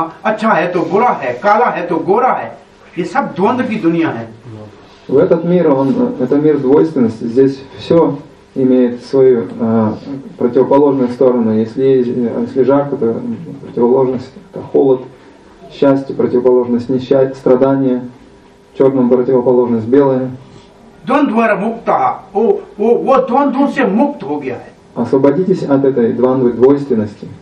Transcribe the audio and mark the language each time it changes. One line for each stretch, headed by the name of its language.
Hindi: अच्छा है तो बुरा है काला है तो गोरा है ये सब द्वंद की दुनिया है
Russian: в этот мир он это мир двойственности здесь всё имеет свою противоположную сторону если жарко то противоположность это холод счастье противоположность несчастье страдание чёрному противоположность белое
Hindi: द्वंद्वर मुक्ता ओ ओ वो द्वंद से मुक्त हो गया है
Russian: освободитесь от этой द्वंद्वी двойственности